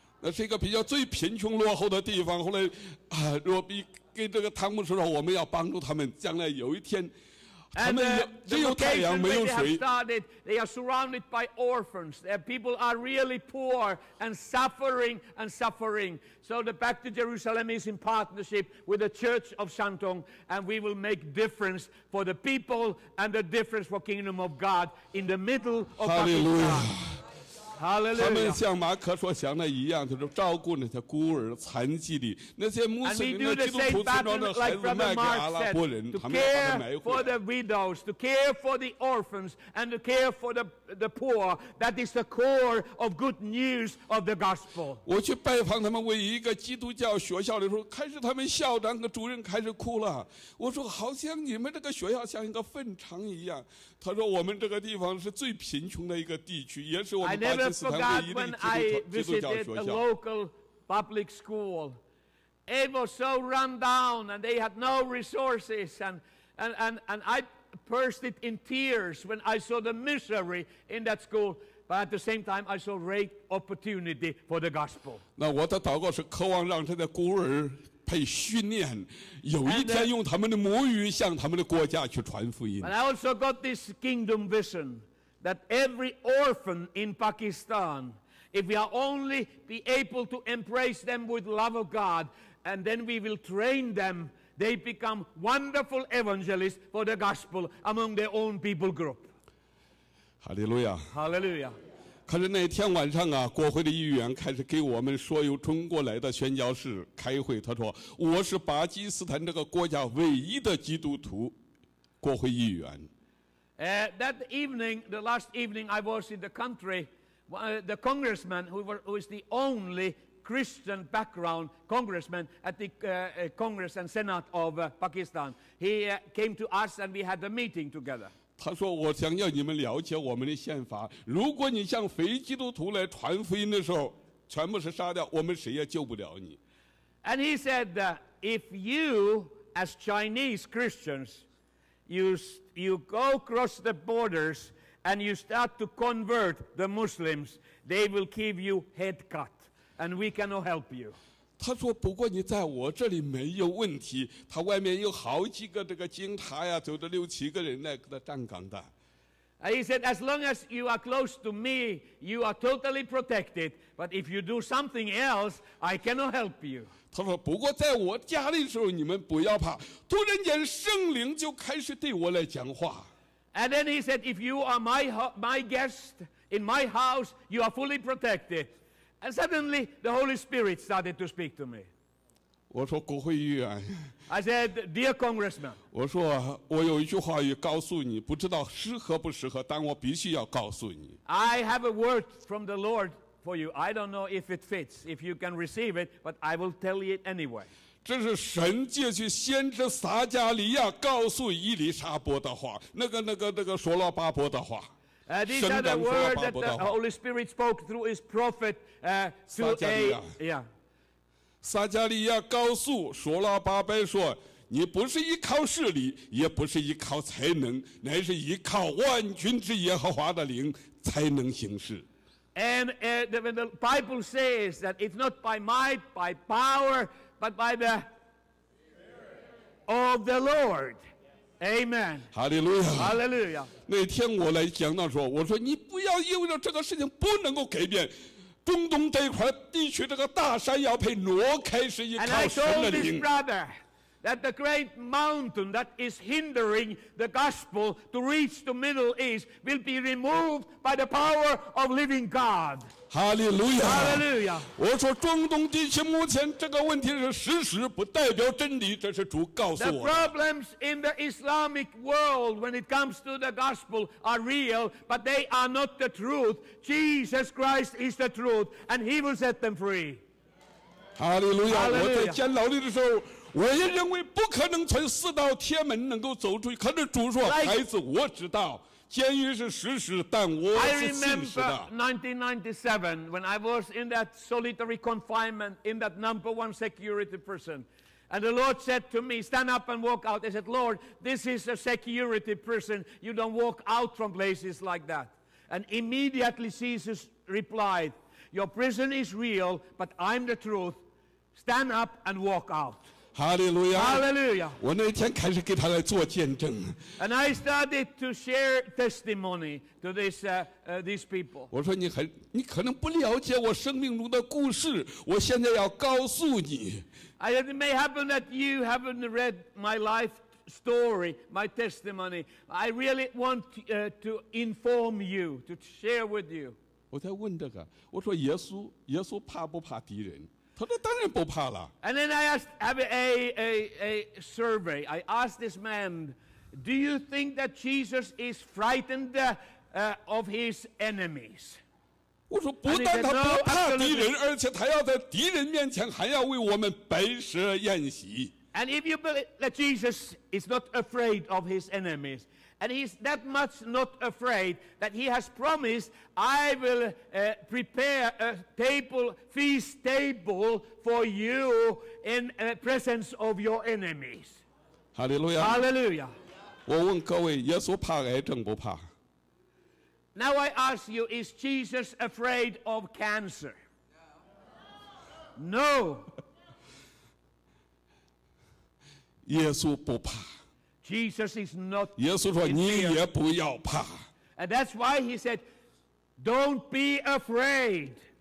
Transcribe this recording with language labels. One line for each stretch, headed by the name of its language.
Chinese: 那是一个比较最贫穷落后的地方。后来，啊，若比跟这个汤姆说，我们要帮助他们，将来有一天，他们只有太阳没有水。
English: And the location where they have started, they are surrounded by orphans. Their people are really poor and suffering and suffering. So the Back to Jerusalem is in partnership with the Church of Shantung, and we will make difference for the people and the difference for Kingdom of God in the middle of Hallelujah. Hallelujah.
Chinese: 他们像马可所想的一样，就是照顾那些孤儿、残疾的那些穆斯林的基督徒村庄的孩子，卖给阿拉伯人，他们要把他埋回来。
English: To care for the widows, to care for the orphans, and to care for the poor, that is the core of good news of the gospel.
Chinese: 我去拜访他们为一个基督教学校的时候，开始他们校长和主任开始哭了。我说：“好像你们这个学校像一个粪场一样。” 他说：“我们这个地方是最贫穷的一个地区，也是我们巴基斯坦唯一的基督教学校。”
English: I never forgot when I visited a local public school. It was so run down, and they had no resources, and I burst it in tears when I saw the misery in that school. But at the same time, I saw great opportunity for the gospel.
Chinese: 那我的祷告是渴望让这些孤儿被训练，有一天用他们的母语向他们的国家去传福音。
English: And I also got this kingdom vision that every orphan in Pakistan, if we are only be able to embrace them with love of God, and then we will train them, they become wonderful evangelists for the gospel among their own people group. Hallelujah. Hallelujah.
Chinese: 可是那天晚上啊，国会的议员开始给我们所有中国来的宣教士开会。他说：“我是巴基斯坦这个国家唯一的基督徒国会议员。”
English: That evening, the last evening I was in the country, the congressman who is the only Christian background congressman at the Congress and Senate of Pakistan, he came to us and we had a meeting together.
Chinese: 他说：“我想要你们了解我们的宪法。如果你向非基督徒来传福音的时候，全部是杀掉，我们谁也救不了你。”
English: And he said that if you, as Chinese Christians, you go across the borders and you start to convert the Muslims, they will give you head cut, and we cannot help you.
Chinese: 他说：“不过你在我这里没有问题。他外面有好几个这个警察呀，走着六七个人来给他站岗的。”
English: He said, "As long as you are close to me, you are totally protected. But if you do something else, I cannot help you."
Chinese: 他说：“不过在我家里的时候，你们不要怕。突然间，圣灵就开始对我来讲话。”
English: And then he said, "If you are my guest in my house, you are fully protected."And suddenly, the Holy Spirit started to speak to me.
Chinese: 我说国会议员。
English: I said, dear congressman.
Chinese: 我说我有一句话要告诉你，不知道适合不适合，但我必须要告诉你。
English: I have a word from the Lord for you. I don't know if it fits, if you can receive it, but I will tell it anyway.
Chinese: 这是神借去先知撒加利亚告诉伊丽莎伯的话，那个所罗巴伯的话。
English: These are the words that the Holy Spirit spoke through His prophet to a yeah.
Chinese: 撒加利亚告诉所罗巴伯说：“你不是依靠势力，也不是依靠才能，乃是依靠万军之耶和华的灵才能行事。”
English: And when the Bible says that it's not by might, by power, but by the of the Lord, Amen. Hallelujah. Hallelujah.
Chinese: 那天我来讲到说，我说你不要意味着这个事情不能够改变。中东这一块地区，这个大山要被挪开，是依靠神的灵。
English: And I told this brother that the great mountain that is hindering the gospel to reach the Middle East will be removed by the power of living God. Hallelujah! Hallelujah!
Chinese: 我说中东地区目前这个问题是事实，不代表真理，这是主告诉我。
English: The problems in the Islamic world when it comes to the gospel are real, but they are not the truth. Jesus Christ is the truth, and He will set them free. Hallelujah!
Chinese: Hallelujah. 我在监牢里的时候。我也认为不可能从四道天门能够走出去，可是主说：“孩子，我知道监狱是实实，但我是信实的。”
English: I remember 1997 when I was in that solitary confinement in that number one security prison, and the Lord said to me, "Stand up and walk out." I said, "Lord, this is a security prison. You don't walk out from places like that." And immediately Jesus replied, "Your prison is real, but I'm the truth. Stand up and walk out." Hallelujah.
Chinese: 我那天开始给他来做见证。
English: And I started to share testimony to these people.
Chinese: 我说你可能不了解我生命中的故事，我现在要告诉你。
English: It may happen that you haven't read my life story, my testimony. I really want to inform you, to share with you.
Chinese: 我在问这个，我说耶稣怕不怕敌人？他说当然不怕了。
English: And then I asked, have a survey. I asked this man, do you think that Jesus is frightened of his enemies?
Chinese: 我说不但他不怕敌人，而且他要在敌人面前还要为我们摆设宴席。
English: And if you believe that Jesus is not afraid of his enemies, and he's that much not afraid that he has promised, I will prepare a table, feast table for you in the presence of your enemies. Hallelujah. Hallelujah.
Chinese: 我问各位，耶稣怕癌症不怕？
English: Now I ask you, is Jesus afraid of cancer? No.
Chinese: 耶稣不怕。
English: Jesus is not. 耶稣说你也不要怕。 And that's why he said, "Don't be afraid."